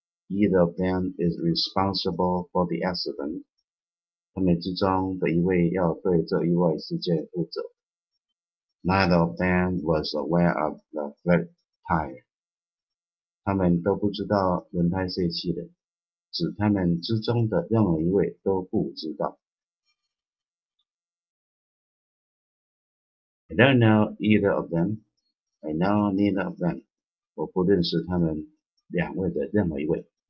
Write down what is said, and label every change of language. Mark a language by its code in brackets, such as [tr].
[en] Either of them is responsible for the accident. [zh] 他们之中的一位要对这意外事件负责。 [en] Neither of them was aware of the flat tire. [zh] 他们都不知道轮胎碎气的，指他们之中的任何一位都不知道。 [en] I don't know either of them. I know neither of them. [zh] 我不认识他们两位的任何一位。